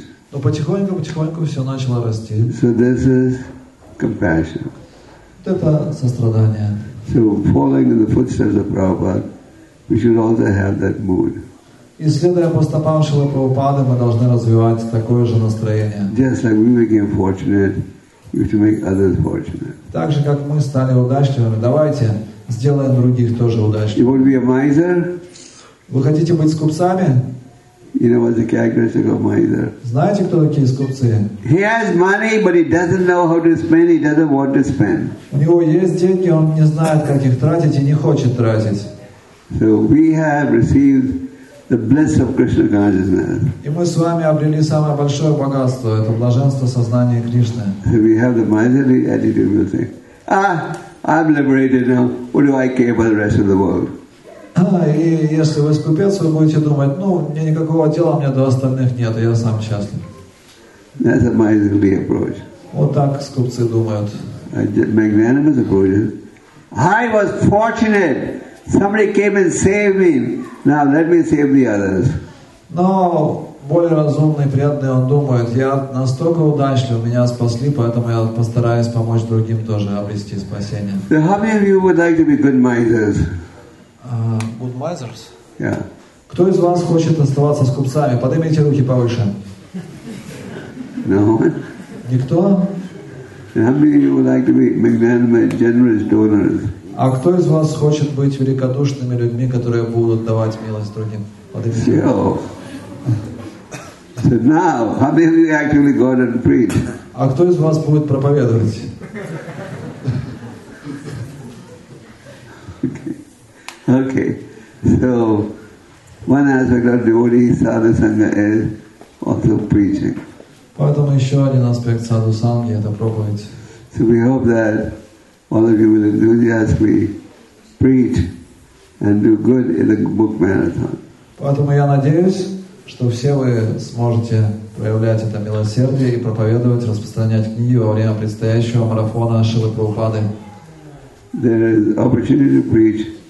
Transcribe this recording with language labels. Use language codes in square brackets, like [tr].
[ru] Но потихоньку все начало расти. [en] So this is compassion. [ru] Вот это сострадание. [en] So following in the footsteps of Prabhupada, we should also have that mood. [ru] И следуя по стопам Шрилы Прабхупады, мы должны развивать такое же настроение. [en] Just like we became fortunate, we should make others fortunate. [ru] Так же, как мы стали удачливыми, давайте сделаем других тоже удачливыми. [en] You want to be a miser? [ru] Вы хотите быть скупцами? [en] You know what's the characteristic of miser? [ru] Знаете, кто такие скупцы? [en] He has money, but he doesn't know how to spend. He doesn't want to spend. [ru] У него есть деньги, он не знает, как их тратить, и не хочет тратить. [en] So we have received the bliss of Krishna consciousness. [ru] И мы с вами обрели самое большое богатство – это блаженство сознания Кришны. [en] So we have the miserly attitude. We think, "Ah, I'm liberated now. What do I care about the rest of the world?" [ru] И если вы скупец, вы будете думать, ну, мне никакого дела, мне до остальных нет, я сам счастлив. [en] That's a miserly approach. [ru] Вот так скупцы думают. [en] A magnanimous approach. I was fortunate. Somebody came and saved me. Now let me save the others. [ru] Но более разумный, приятный, он думает, я настолько удачлив, меня спасли, поэтому я постараюсь помочь другим тоже обрести спасение. [en] So how many of you would like to be good misers? Good misers? Yeah. [ru] Кто из вас хочет оставаться скупцами? Поднимите руки повыше. [en] No. [ru] Никто? [en] How many of you would like to be magnanimous, generous donors? [ru] А кто из вас хочет быть великодушными людьми, которые будут давать милость другим? Поднимите руки. [en] So now, how many of you actually go and preach? [ru] А кто из вас будет проповедовать? [en] Okay, so one aspect of devotee sadhu sangha is also preaching. [ru] Поэтому еще один аспект саду санги это проповедь. [en] So we hope that all of you will enthusiastically preach and do good in the book marathon. [ru] Поэтому я надеюсь, что все вы сможете проявлять это милосердие и проповедовать, распространять книги во время предстоящего марафона Шрилы Прабхупады. [en] There is opportunity to preach.